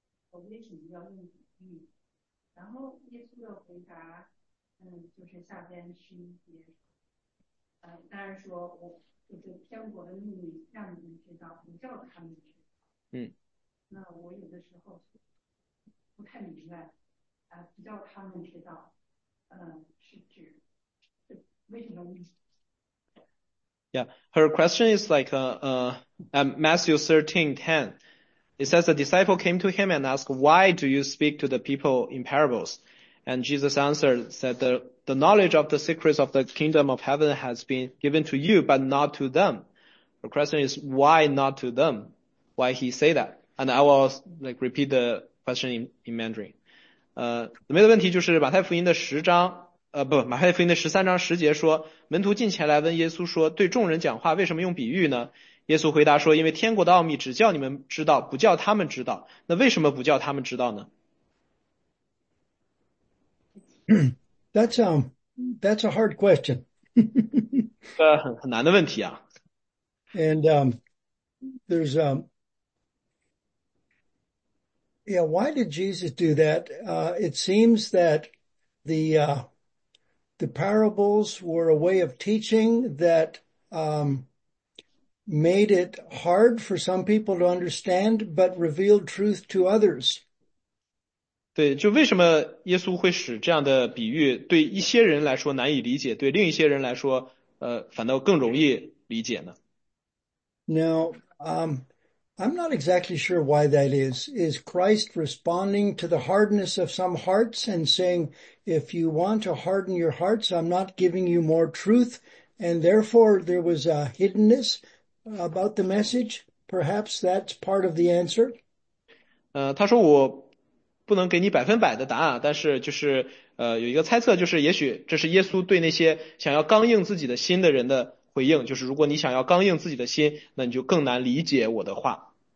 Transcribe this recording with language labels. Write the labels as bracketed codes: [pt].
[zh] 我们也请教问题，然后耶稣的回答，就是下边是一些，当然说我就是天国的秘密让你们知道，不叫他们知道。嗯。那我有的时候不太明白，不叫他们知道，是指是为什么秘密？ [en] Yeah, her question is like Matthew 13:10. It says the disciple came to him and asked, why do you speak to the people in parables? And Jesus answered, said the knowledge of the secrets of the kingdom of heaven has been given to you, but not to them. The question is, why not to them? Why he say that? And I will like repeat the question in Mandarin. [zh] 里面的问题就是马太福音的十章，不，马太福音的十三章十节说，门徒进前来问耶稣说，对众人讲话为什么用比喻呢？耶稣回答说，因为天国的奥秘只叫你们知道，不叫他们知道。那为什么不叫他们知道呢？ [en] That's a hard question. [zh] 很难的问题啊。 [en] And there's yeah, why did Jesus do that? It seems that the parables were a way of teaching that made it hard for some people to understand, but revealed truth to others. [zh] 对，就为什么耶稣会使这样的比喻对一些人来说难以理解，对另一些人来说，反倒更容易理解呢？ [en] Now, I'm not exactly sure why that is. Is Christ responding to the hardness of some hearts and saying, if you want to harden your hearts, I'm not giving you more truth? And therefore, there was a hiddenness about the message. Perhaps that's part of the answer. [zh] 他说我不能给你百分百的答案，但是就是有一个猜测，就是也许这是耶稣对那些想要刚硬自己的心的人的回应，就是如果你想要刚硬自己的心，那你就更难理解我的话。